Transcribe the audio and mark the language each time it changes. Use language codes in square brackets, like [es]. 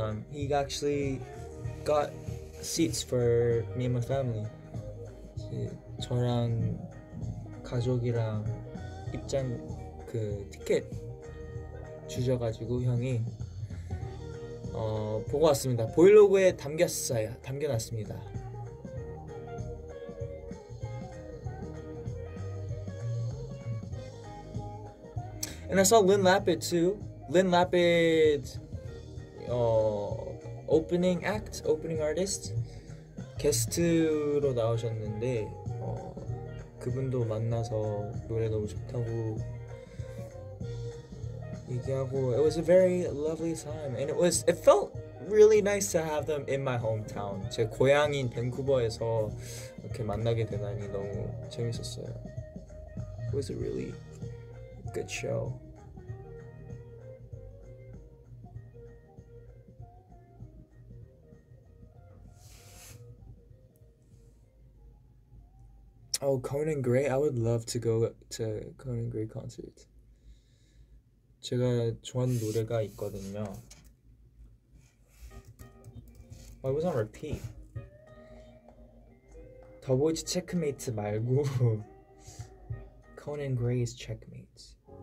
[en] He actually got seats for me and my family. [ko] 저랑 가족이랑 입장 그 티켓 주셔가지고 형이 보고 왔습니다. 보일로그에 담겼어요. 담겨놨습니다. [en] And I saw Lin Lapid too. Lin Lapid, opening act, opening artist, [ko] 게스트로 나오셨는데 그분도 만나서 노래 너무 좋다고 얘기하고. [en] It was a very lovely time, and it felt really nice to have them in my hometown. [ko] 제 고향인 밴쿠버에서 이렇게 만나게 되다니 너무 재밌었어요. [en] It was a really good show. Oh, Conan Gray. I would love to go to Conan Gray concert. [ko] 제가 좋아하는 노래가 있거든요. [en] Why was on repeat? [ko] 더보이즈 체크메이트 말고 Conan Gray's Checkmate.